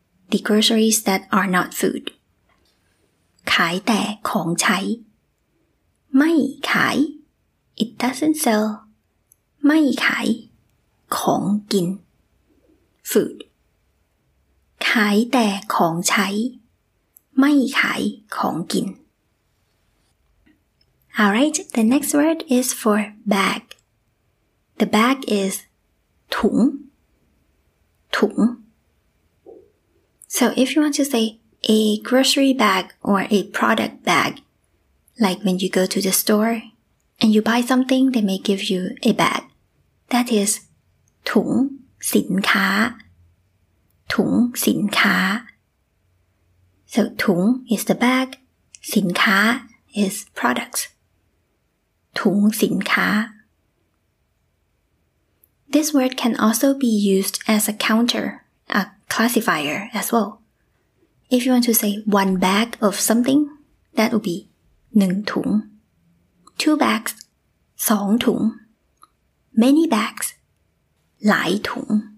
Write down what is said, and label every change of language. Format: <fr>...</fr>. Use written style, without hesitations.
<en>the groceries that are not food</en> <th>ขายแต่ของใช้ไม่ขาย</th> <en>it doesn't sell</en> <th>ไม่ขายของกิน</th> <en>food</en> <th>ขายแต่ของใช้ไม่ขายของกิน</th> <en>alright the next word is for bagThe bag is ถุง, ถุง. So if you want to say a grocery bag or a product bag, like when you go to the store and you buy something, they may give you a bag. That is ถุงสินค้า, ถุงสินค้า. So ถุง is the bag, สินค้า is products. ถุงสินค้าThis word can also be used as a counter, a classifier as well. If you want to say one bag of something, that would be 1ถุง, 2 bags, 2ถุง, many bags, หลายถุง.</en>